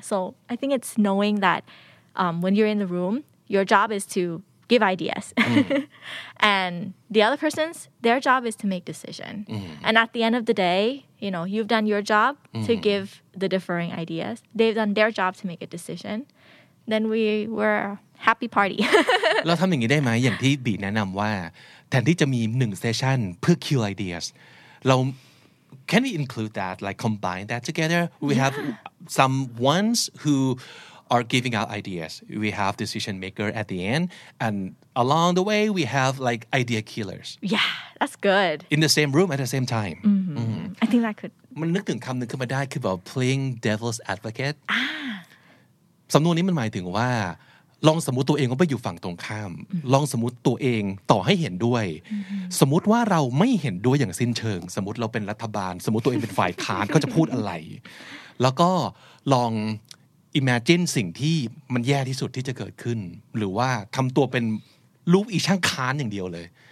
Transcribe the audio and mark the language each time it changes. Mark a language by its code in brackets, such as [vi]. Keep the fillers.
[en] So I think it's knowing that um, when you're in the room, your job is to give ideas. and the other person's, their job is to make decision. And at the end of the day, you know, you've done your job to give the differing ideas. They've done their job to make a decision. Then we were a happy party. [th] เราทำอย่างนี้ได้ไหมอย่างที่บีแนะนำว่า แทนที่จะมีหนึ่งเซสชันเพื่อ Q ideas เรา [en] can we include that like combine that together we have some ones who are giving out ideas we have decision maker at the end and along the way we have like idea killers yeah that's good in the same room at the same time I think that could [th] มันนึกถึงคำหนึ่งขึ้นมาได้คือแบบ [en] playing devil's advocate [th] สำนวนนี้มันหมายถึงว่า ลองสมมติตัวเองว่าไปอยู่ฝั่งตรงข้าม ลองสมมติตัวเองต่อให้เห็นด้วย สมมติว่าเราไม่เห็นด้วยอย่างสิ้นเชิง สมมติเราเป็นรัฐบาล สมมติตัวเองเป็นฝ่ายค้าน ก็จะพูดอะไร แล้วก็ลอง imagine สิ่งที่มันแย่ที่สุดที่จะเกิดขึ้น หรือว่าทำตัวเป็นลูกอีช่างค้านอย่างเดียวเลย